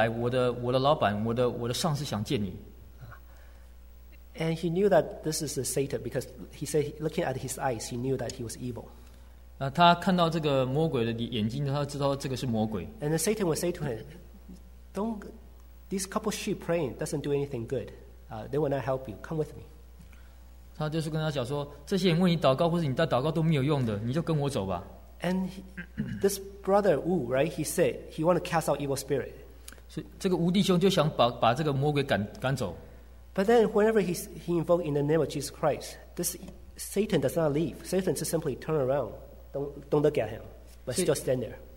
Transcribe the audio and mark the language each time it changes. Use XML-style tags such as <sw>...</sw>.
<zh>这个魔鬼就非常的温文有礼，非常的温柔地跟他讲说，来跟我来，我的老板，我的上司想见你。</zh> <en>And he knew that this is a Satan because he said, looking at his eyes, he knew that he was evil.</en> <zh>他看到这个魔鬼的眼睛，他知道这个是魔鬼。</zh> <en>And then Satan would say to him, "Don't these couple sheep praying doesn't do anything good. They will not help you. Come with me."</en> <zh>他就是跟他讲说，这些人为你祷告，或是你在祷告都没有用的，你就跟我走吧。</zh> <en>And this brother Wu, right? He said he wanted to cast out evil spirit.</en> <zh>所以这个吴弟兄就想把这个魔鬼赶走。</zh> <en>But then whenever he invoked in the name of Jesus Christ, this Satan does not leave. Satan just simply turn around. Don't look at him, but still stand there.</en>